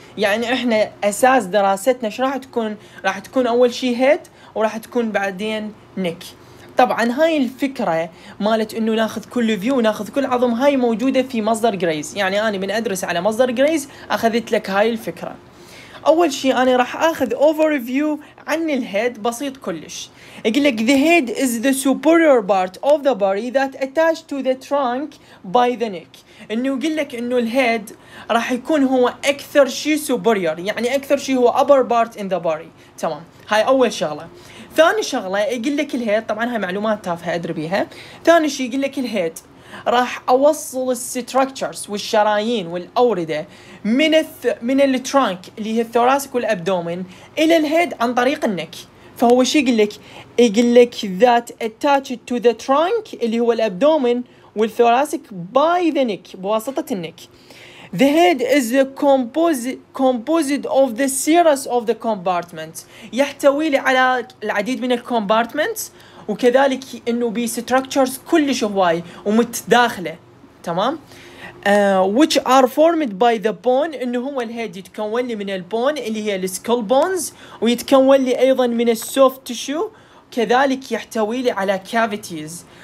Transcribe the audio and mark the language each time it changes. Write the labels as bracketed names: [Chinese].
[Arabic] يعني احنا اساس دراستنا ايش راح تكون؟ راح تكون اول شيء هيد، وراح تكون بعدين نك. طبعا هاي الفكره مالت انه ناخذ كل فيو وناخذ كل عظم، هاي موجوده في مصدر جريز. يعني انا من ادرس على مصدر جريز اخذت لك هاي الفكره. اول شيء انا راح اخذ اوفر فيو عن الهيد، بسيط كلش. يقول لك [English] the head is the superior part of the body that attached to the trunk by the neck. [Arabic] انه يقول لك انه الهيد راح يكون هو اكثر شيء superior، يعني اكثر شيء هو [English] upper part in the body، [Arabic] تمام. هاي اول شغله. ثاني شغله يقول لك الهيد، طبعا هاي معلومات تافهه ادري بيها. ثاني شيء يقول لك الهيد راح اوصل الستركتشرز والشرايين والاورده من الترانك اللي هي الثوراسك والابدومن الى الهيد عن طريق النك. فهو شو يقول لك؟ يقول لك [English] that attached to the trunk [Arabic] اللي هو الابدومن والثوراسك [English] by the neck, [Arabic] بواسطه النك. [English] The head is the composite of the serous of the compartment. [Arabic] يحتوي لي على العديد من الكومبارتمنتس، وكذلك انه بي ستراكتشرز كلش هواي ومتداخله، تمام. [English] Which are formed by the bone، [Arabic] انه هو الهيد يتكون لي من البون اللي هي السكول بونز، ويتكون لي ايضا من السوفت تشو، كذلك يحتوي لي على كافيتيز.